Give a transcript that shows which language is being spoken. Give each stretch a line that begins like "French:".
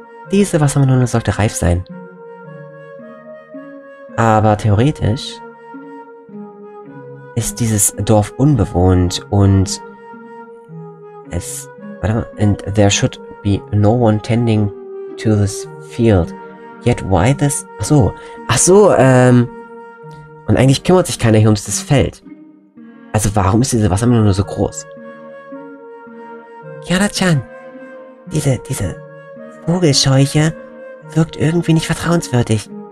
German: Diese Wassermelone sollte reif sein. Aber theoretisch ist dieses Dorf unbewohnt und es... Warte mal.
English: And there should be no one tending to this field. Yet why this...
German: Ach so. Und eigentlich kümmert sich keiner hier um dieses Feld. Also warum ist diese Wassermelone so groß? Kiara-chan, diese Vogelscheuche wirkt irgendwie nicht vertrauenswürdig.